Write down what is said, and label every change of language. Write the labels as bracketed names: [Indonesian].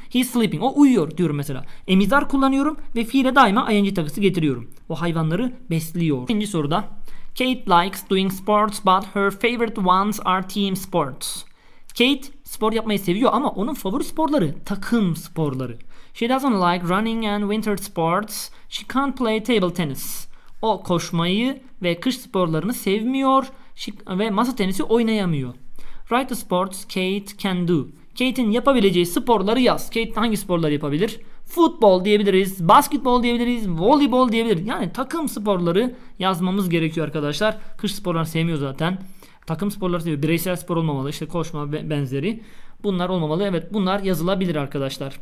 [English] He's sleeping. [Turkish] O uyuyor diyorum mesela. Emizar kullanıyorum ve fiile daima ing takısı getiriyorum. O hayvanları besliyor. İkinci soruda. [English] Kate likes doing sports but her favorite ones are team sports. [Turkish] Kate spor yapmayı seviyor ama onun favori sporları takım sporları. [English] She doesn't like running and winter sports. She can't play table tennis. [Turkish] O koşmayı ve kış sporlarını sevmiyor ve masa tenisi oynayamıyor. [English] Write the sports Kate can do. [Turkish] Kate'in yapabileceği sporları yaz. Kate hangi sporları yapabilir? Futbol diyebiliriz, basketbol diyebiliriz, voleybol diyebiliriz. Yani takım sporları yazmamız gerekiyor arkadaşlar. Kış sporları sevmiyor zaten. Takım sporları sevmiyor. Bireysel spor olmamalı. İşte koşma benzeri. Bunlar olmamalı. Evet, bunlar yazılabilir arkadaşlar.